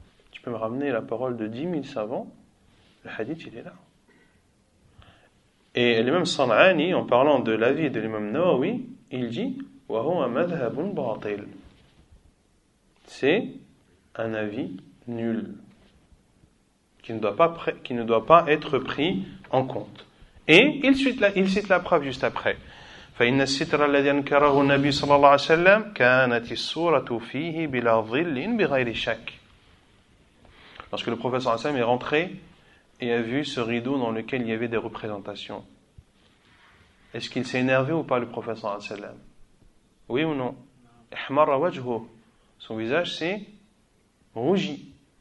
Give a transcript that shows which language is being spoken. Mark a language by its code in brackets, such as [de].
[fr] Tu peux me ramener la parole de 10 000 savants, le hadith, il est là. » Et l'imam San'ani, en parlant de l'avis de l'imam Nawawi, il dit « [ar] Wa huwa madhhabun batil ». [fr] C'est un avis nul, qui ne doit pas être pris en compte. Et il cite la preuve juste après. [ar] فإن الستر الذي أنكره النبي صلى الله عليه وسلم كانت السورة فيه بلا ظل بغير شك. [fr] Lorsque le prophète صلى الله عليه وسلم est rentré et a vu ce rideau dans lequel il y avait des représentations, est-ce qu'il s'est énervé ou pas le prophète صلى الله عليه وسلم? Oui ou non? [ar] إحمر وجهه. [fr] Son visage s'est rougi.